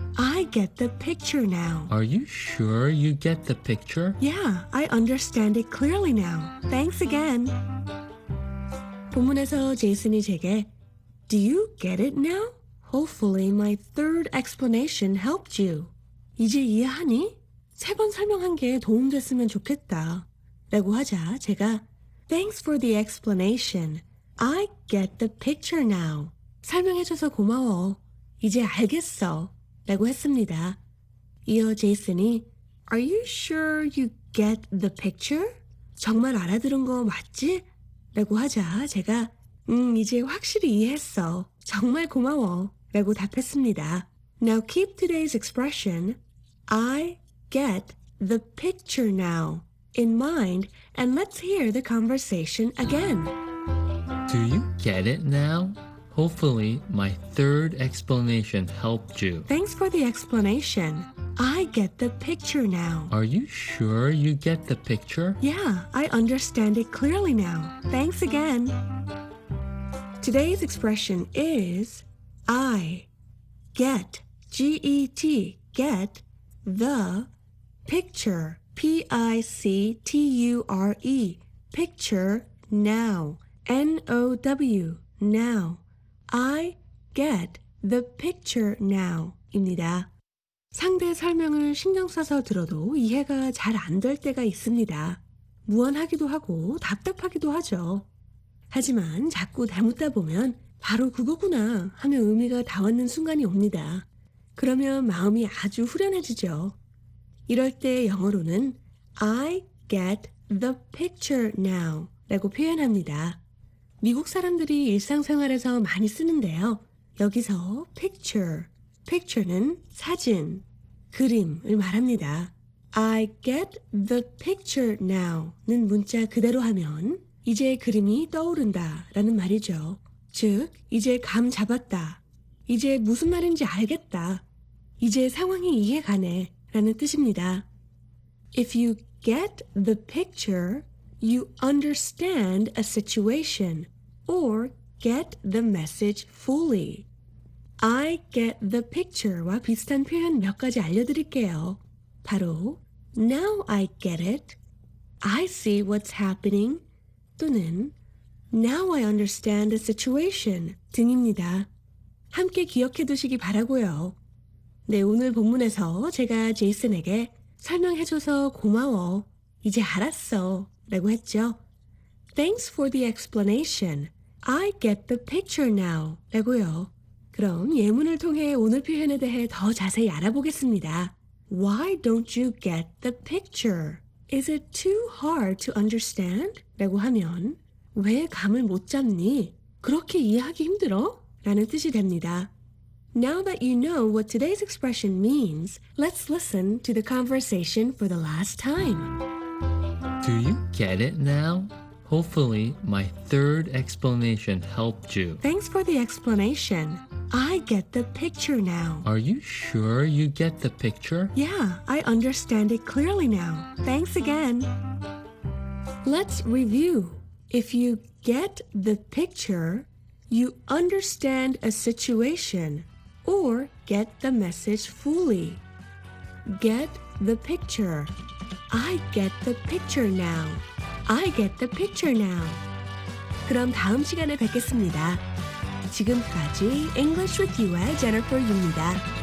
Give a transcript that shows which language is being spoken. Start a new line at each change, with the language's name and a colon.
English: I get the picture now. Are you sure you get the picture? Yeah, I understand it clearly now. Thanks again.
Korean: 본문에서 제이슨이 제게
English: Do you get it now? Hopefully my third explanation helped you.
Korean: 이제 이해하니? 세 번 설명한 게 도움됐으면 좋겠다. 라고 하자 제가
English: Thanks for the explanation. I get the picture now.
Korean: 설명해줘서 고마워. 이제 알겠어. 라고 했습니다. 이어 제이슨이
English: Are you sure you get the picture?
Korean: 정말 알아들은 거 맞지? 라고 하자 제가 이제 확실히 이해했어. 정말 고마워. 라고 답했습니다.
English: Now keep today's expression I get the picture now in mind and let's hear the conversation again. Do you get it now? Hopefully my third explanation helped you. Thanks for the explanation. I get the picture now. Are you sure you get the picture? Yeah, I understand it clearly now. Thanks again. Today's expression is I get, G-E-T, get the picture, P-I-C-T-U-R-E, picture now, N-O-W, now. I get the picture now,
Korean: 입니다. 상대의 설명을 신경 써서 들어도 이해가 잘 안 될 때가 있습니다. 무안하기도 하고 답답하기도 하죠. 하지만 자꾸 대묻다 보면 바로 그거구나 하며 의미가 다 왔는 순간이 옵니다. 그러면 마음이 아주 후련해지죠. 이럴 때 영어로는
English: I get the picture now
Korean: 라고 표현합니다. 미국 사람들이 일상생활에서 많이 쓰는데요. 여기서 picture, picture는 사진. 그림을 말합니다.
English: I get the picture now
Korean: 는 문자 그대로 하면 이제 그림이 떠오른다 라는 말이죠. 즉, 이제 감 잡았다. 이제 무슨 말인지 알겠다. 이제 상황이 이해가네 라는 뜻입니다.
English: If you get the picture, you understand a situation or get the message fully. I get the picture
Korean: 와 비슷한 표현 몇 가지 알려드릴게요.
English: 바로 Now I get it. I see what's happening.
Korean: 또는
English: Now I understand the situation
Korean: 등입니다. 함께 기억해 두시기 바라고요. 네, 오늘 본문에서 제가 제이슨에게 설명해 줘서 고마워. 이제 알았어. 라고 했죠.
English: Thanks for the explanation. I get the picture now.
Korean: 라고요. 그럼 예문을 통해 오늘 표현에 대해 더 자세히 알아보겠습니다.
English: Why don't you get the picture? Is it too hard to understand?
Korean: 라고 하면 왜 감을 못 잡니? 그렇게 이해하기 힘들어? 라는 뜻이 됩니다.
English: Now that you know what today's expression means, let's listen to the conversation for the last time. Do you get it now? Hopefully, my third explanation helped you. Thanks for the explanation. I get the picture now. Are you sure you get the picture? Yeah, I understand it clearly now. Thanks again. Let's review. If you get the picture, you understand a situation or get the message fully. Get the picture. I get the picture now. I get the picture now.
Korean: 그럼 다음 시간에 뵙겠습니다. 지금까지 English with You의 Jennifer 유입니다.